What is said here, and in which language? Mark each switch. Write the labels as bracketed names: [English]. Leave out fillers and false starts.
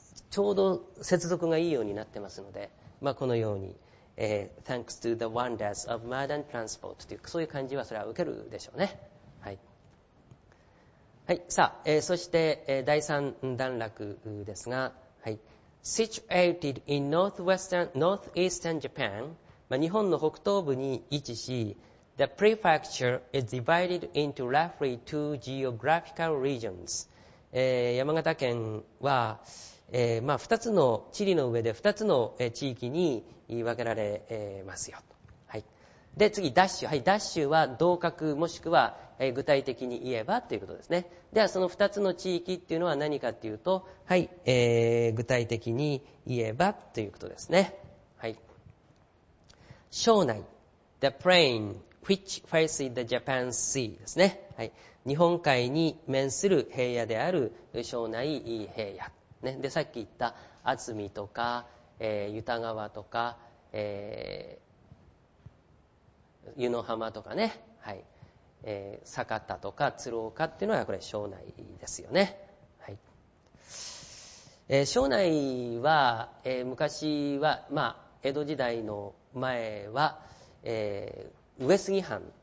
[Japanese] ちょうど接続がいいようになってますので、まあ、このように、 [English] Thanks to the wonders of modern transport [Japanese] というそういう感じはそれは受けるでしょうね、はいはい、さあ、そして、第3段落ですが、はい、 [English] Situated in northeastern Japan、 [Japanese] まあ、日本の北東部に位置し、 [English] The prefecture is divided into roughly two geographical regions、 [Japanese] 山形県は、まあ、2つの地理の上で2つの地域に分けられますよ、はい、で次ダッシュ、はい、ダッシュは同格もしくは、具体的に言えばということですね。ではその2つの地域っていうのは何かっていうと、はい、具体的に言えばということですね、はい、 [English] 庄内 The plain which faces the Japan Sea [Japanese] ですね、はい、日本海に面する平野である庄内平野、ね、でさっき言った渥美とか、湯田川とか、湯の浜とかね、はい、酒田とか鶴岡っていうのはこれ庄内ですよね、はい、庄内は、昔は、まあ、江戸時代の前は、上杉藩